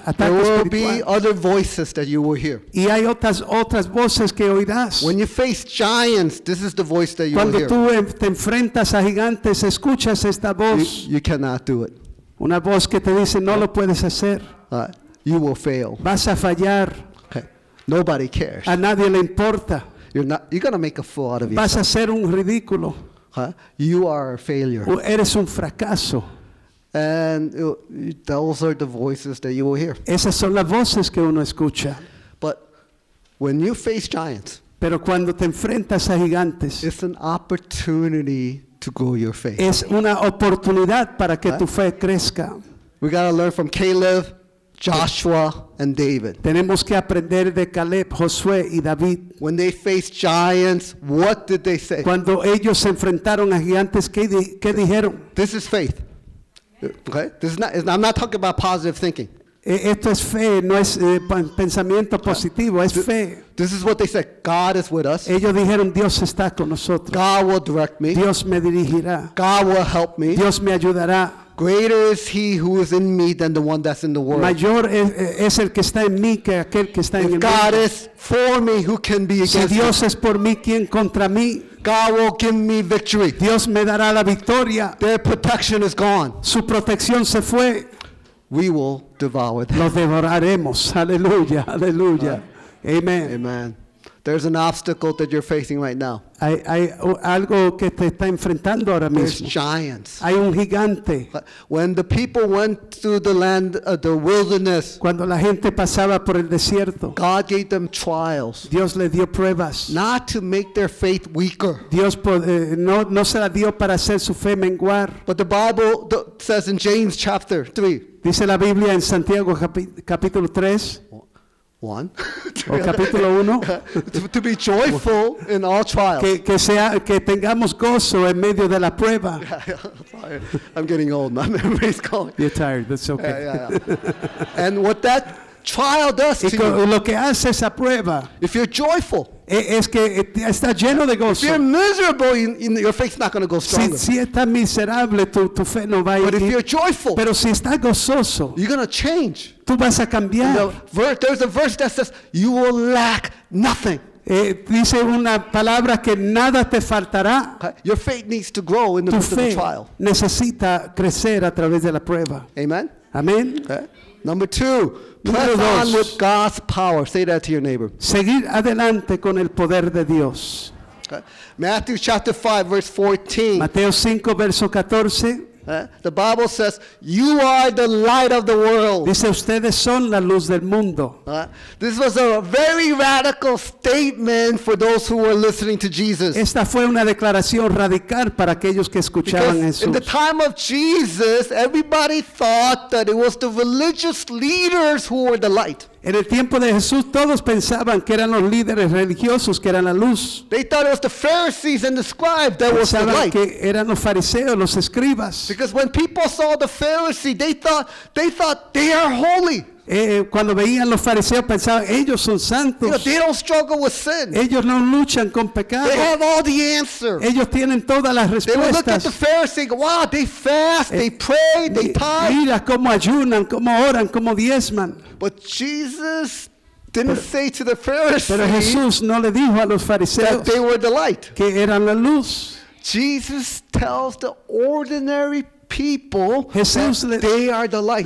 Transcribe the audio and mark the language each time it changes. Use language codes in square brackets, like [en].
[en] There will be other voices that you will hear. [es] Y hay otras voces que oirás. [en] When you face giants, this is the voice that you will hear. [es] Cuando tú te enfrentas a gigantes, escuchas esta voz. [en] You cannot do it. [es] Una voz que te dice no lo puedes hacer. [en] You will fail. [es] Vas a fallar. [en] Okay. Nobody cares. [es] A nadie le importa. [en] You're gonna make a fool out of yourself. [es] Vas a ser un ridículo. [en] You are a failure. [es] O eres un fracaso. [en] And those are the voices that you will hear. [es] Esas son las voces que uno escucha. [en] But when you face giants, [es] pero cuando te enfrentas a gigantes, [en] it's an opportunity to grow your faith. [es] Es una oportunidad para que tu fe crezca. [en] We got to learn from Caleb, Joshua, and David. [es] Tenemos que aprender de Caleb, Josué y David. [en] When they faced giants, what did they say? [es] Cuando ellos se enfrentaron a gigantes, ¿qué dijeron? [en] This is faith. Okay. This is not. I'm not talking about positive thinking. [es] Esto es fe, no es pensamiento positivo. Es fe. [en] This is what they said. God is with us. [es] Ellos dijeron Dios está con nosotros. [en] God will direct me. [es] Dios me dirigirá. [en] God will help me. [es] Dios me ayudará. [en] Greater is He who is in me than the one that's in the world. [es] Mayor es el que está en mí que aquel que está en el mundo. [en] If God is for me, who can be against me? [es] Si Dios es por mí, ¿quién contra mí? [en] God will give me victory. [es] Dios me dará la victoria. [en] Their protection is gone. [es] Su protección se fue. [en] We will devour them. [es] Los devoraremos. Aleluya, aleluya. Amen. [en] Amen. There's an obstacle that you're facing right now. [es] Hay algo que te está enfrentando ahora mismo. [en] There's giants. [es] Hay un gigante. [en] When the people went to the land, the wilderness. [es] Cuando la gente pasaba por el desierto. [en] God gave them trials. [es] Dios le dio pruebas. [en] Not to make their faith weaker. [es] Dios no se la dio para hacer su fe menguar. [en] But the Bible says in James chapter 3. [es] Dice la Biblia en Santiago capítulo 3. [en] One. [es] Capítulo uno. [en] To be joyful in all trials. [es] Que tengamos gozo en medio de la prueba. [en] I'm getting old. My memory's going. You're tired. That's okay. Yeah. And what that trial does to you. [es] Lo que hace esa prueba. [en] If you're joyful. [es] Es que está lleno de gozo. [en] If you're miserable, your faith's not going to go stronger. [es] Si está miserable, tu fe no va a ir. [en] But if you're joyful, [es] pero si está gozoso, [en] you're going to change. [es] Tú vas a cambiar. [en] There's a verse that says, you will lack nothing. [es] Dice una palabra que nada te faltará. [en] Your faith needs to grow in the midst of the trial. [es] Tu fe necesita crecer a través de la prueba. [en] Amen. [es] Amen. [en] Okay. Number two. Press on with God's power. Say that to your neighbor. [es] Seguir adelante con el poder de Dios. [en] Matthew chapter 5, verse 14. [es] Mateo 5, verso 14. [en] The Bible says, "You are the light of the world." [es] Dice, ustedes son la luz del mundo. [en] This was a very radical statement for those who were listening to Jesus. [es] Esta fue una declaración radical para aquellos que escuchaban [en] Because In the time of Jesus, everybody thought that it was the religious leaders who were the light. [es] En el tiempo de Jesús, todos pensaban que eran los líderes religiosos que eran la luz. [en] They thought it was the Pharisees and the scribes that was the light. [es] Que eran los fariseos, los escribas. [en] Because when people saw the Pharisee, they thought they are holy. [es] Cuando veían los fariseos pensaban ellos son santos. [en] You know, they don't struggle with sin. [es] Ellos no luchan con pecado. [en] They have all the answers. [es] Ellos tienen todas las respuestas. [en] They would look at the Pharisee, wow, they fast, they pray, they tithe. [es] Mira cómo ayunan, cómo oran, cómo diezman. [en] But Jesus didn't say to the Pharisee. [es] Pero Jesús no le dijo a los fariseos [en] that they were the light. [es] Que eran la luz. [en] Jesus tells the ordinary people Jesús that they are the light.